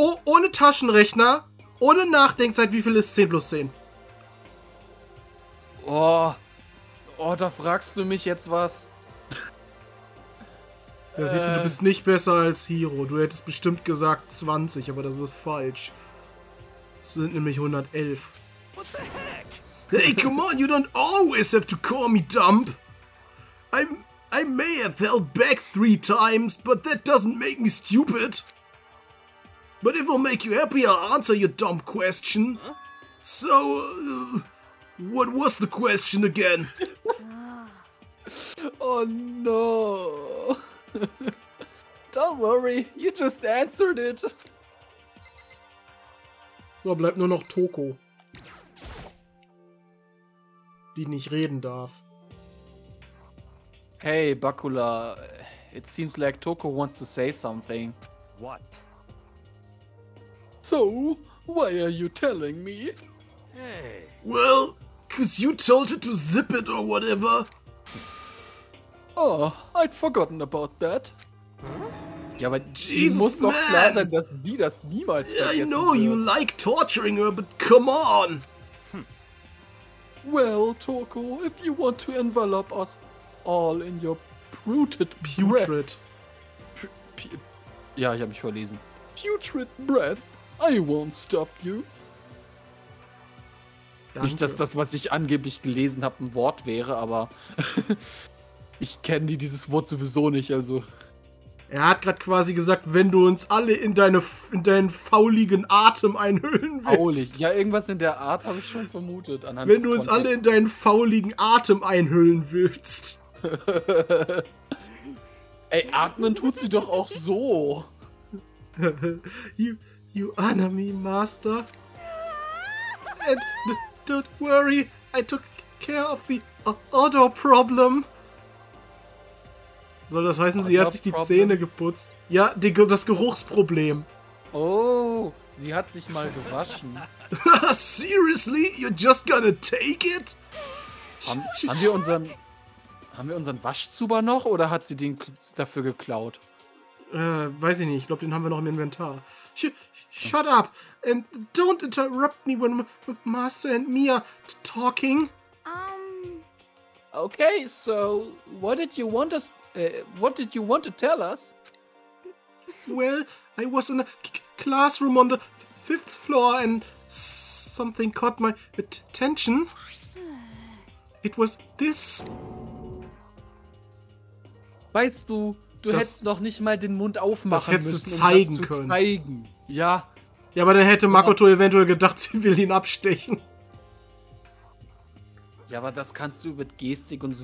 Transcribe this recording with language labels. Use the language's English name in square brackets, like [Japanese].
[German] Ohne Taschenrechner, ohne Nachdenkzeit, wie viel ist 10 plus 10? Oh, da fragst du mich jetzt was. Ja, siehst du, du bist nicht besser als Hiro. Du hättest bestimmt gesagt 20, aber das ist falsch. Es sind nämlich 111. [English] What the heck? Hey, come on, you don't always have to call me dumb. I may have held back 3 times, but that doesn't make me stupid. But if it'll make you happy, I'll answer your dumb question. Huh? So, what was the question again? Oh no. Don't worry, you just answered it. [German] So, bleibt nur noch Toko. Die nicht reden darf. [English] Hey, Bakula, it seems like Toko wants to say something. What? So, why are you telling me? Hey. Well, cause you told her to zip it or whatever. Oh, I'd forgotten about that. Huh? [German] Ja, aber Jesus, muss doch klar sein, dass sie das niemals vergessen wird. [English] Yeah, I know you like torturing her, but come on. Well, Toko, if you want to envelop us all in your putrid breath. [German] Ja, ich hab mich verlesen. [English] Putrid breath, I won't stop you. [German] Danke. Nicht, dass das, was ich angeblich gelesen habe, ein Wort wäre, aber ich kenne dieses Wort sowieso nicht, also. Er hat gerade quasi gesagt, wenn du uns alle in deinen fauligen Atem einhüllen willst. Faulig. Ja, irgendwas in der Art habe ich schon vermutet. Anhand wenn du uns alle in deinen fauligen Atem einhüllen willst. Ey, atmen tut sie doch auch so. [English] You honor me, Master. And don't worry, I took care of the odor problem. [German] Soll das heißen, sie hat sich die Zähne geputzt? Ja, das Geruchsproblem. Oh, sie hat sich mal gewaschen. [English] Seriously? You're just gonna take it? [German] Haben wir unseren Waschzuber noch oder hat sie den dafür geklaut? Weiß ich nicht. Ich glaube, den haben wir noch im Inventar. [English] Shut up and don't interrupt me when Master and Mia talking. Okay, so what did you want us... what did you want to tell us? Well, I was in a classroom on the fifth floor and something caught my attention. It was this. [German] Weißt du, du das hättest noch nicht mal den Mund aufmachen müssen, um das zeigen können. Zeigen. Ja. Ja, aber dann hätte Makoto eventuell gedacht, sie will ihn abstechen. Ja, aber das kannst du mit Gestik und so.